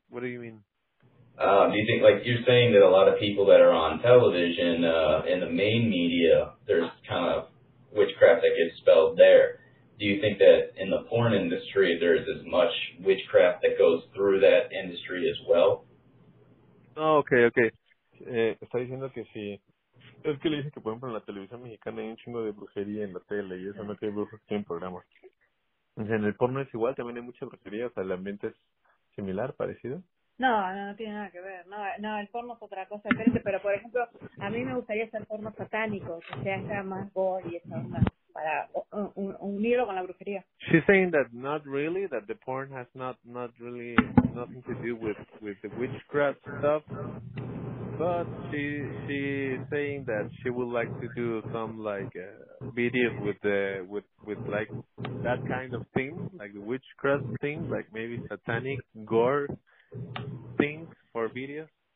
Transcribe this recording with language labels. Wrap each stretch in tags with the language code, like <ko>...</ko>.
<en>Do you think, like you're saying that a lot of people that are on television, in the main media, there's kind of witchcraft that gets spelled there. do you think that in the porn industry there is as much witchcraft that goes through that industry as well?</en> <es>Okay. Está diciendo que sí. Es que le dicen que, por ejemplo, en la televisión mexicana hay un chingo de brujería en la tele y eso, no, que hay brujos que tienen programas. En el porno es igual, también hay mucha brujería, o sea, el ambiente es similar, parecido. No tiene nada que ver. No, el porno es otra cosa diferente, pero, por ejemplo, a mí me gustaría hacer porno satánico, que sea más gore y esa onda, para unirlo con la brujería.</es> <en>She's saying that not really, that the porn has not really nothing to do with the witchcraft stuff. But she's saying that she would like to do some like videos with like that kind of thing, like the witchcraft thing, like maybe satanic gore things for videos.</en>